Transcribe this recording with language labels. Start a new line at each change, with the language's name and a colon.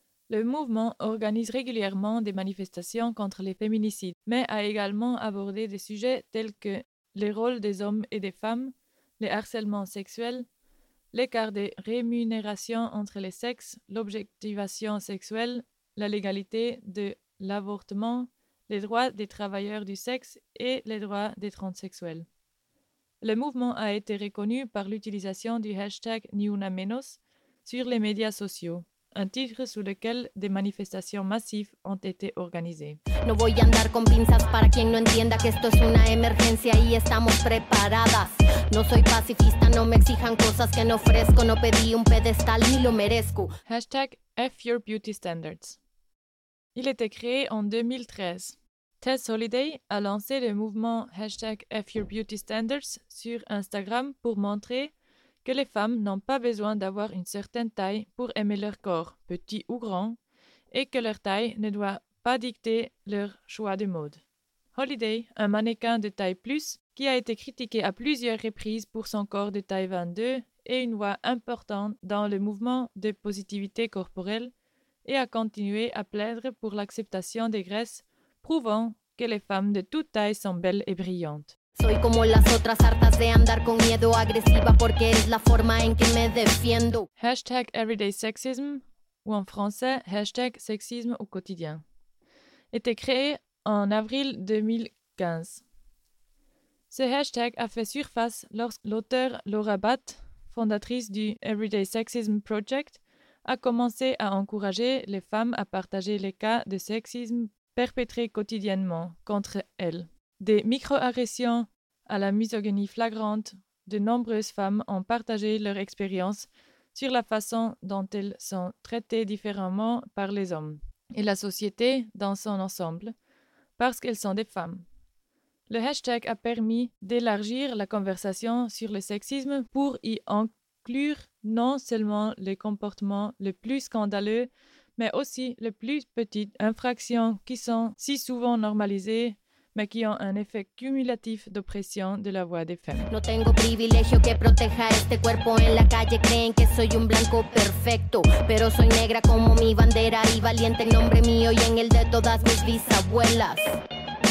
French: Le mouvement organise régulièrement des manifestations contre les féminicides, mais a également abordé des sujets tels que les rôles des hommes et des femmes, les harcèlements sexuels, l'écart des rémunérations entre les sexes, l'objectivation sexuelle, la légalité de l'avortement, les droits des travailleurs du sexe et les droits des transsexuels. Le mouvement a été reconnu par l'utilisation du hashtag Ni Una Menos sur les médias sociaux, un titre sous lequel des manifestations massives ont été organisées.
Spanish: No voy a andar con pinzas para quien no entienda que esto es una emergencia y estamos preparadas. No soy pacifista, no me exijan cosas que no ofrezco, no pedí un pedestal ni lo merezco.
English: Hashtag F Your Beauty Standards.
French: Il était créé en 2013. Tess Holliday a lancé le mouvement hashtag F Your Beauty Standards sur Instagram pour montrer que les femmes n'ont pas besoin d'avoir une certaine taille pour aimer leur corps, petit ou grand, et que leur taille ne doit pas dicter leur choix de mode. Holliday, un mannequin de taille plus, qui a été critiqué à plusieurs reprises pour son corps de taille 22, est une voix importante dans le mouvement de positivité corporelle et a continué à plaindre pour l'acceptation des graisses, prouvant que les femmes de toute taille sont belles et brillantes.
Spanish: Soy como las otras hartas de andar con miedo agresiva porque es la forma en que me defiendo.
French: Hashtag Everyday Sexism, ou en français, hashtag sexisme au quotidien, était créé en avril 2015. Ce hashtag a fait surface lorsque l'auteur Laura Batt, fondatrice du Everyday Sexism Project, a commencé à encourager les femmes à partager les cas de sexisme perpétrés quotidiennement contre elles. Des micro-agressions à la misogynie flagrante, de nombreuses femmes ont partagé leur expérience sur la façon dont elles sont traitées différemment par les hommes et la société dans son ensemble, parce qu'elles sont des femmes. Le hashtag a permis d'élargir la conversation sur le sexisme pour y inclure non seulement les comportements les plus scandaleux, mais aussi les plus petites infractions qui sont si souvent normalisées, mais qui ont un effet cumulatif d'oppression de la voix des femmes.
Spanish: No tengo privilegio que proteja este cuerpo en la calle, creen que soy un blanco perfecto, pero soy negra como mi bandera y valiente en nombre mío y en el de todas mis bisabuelas.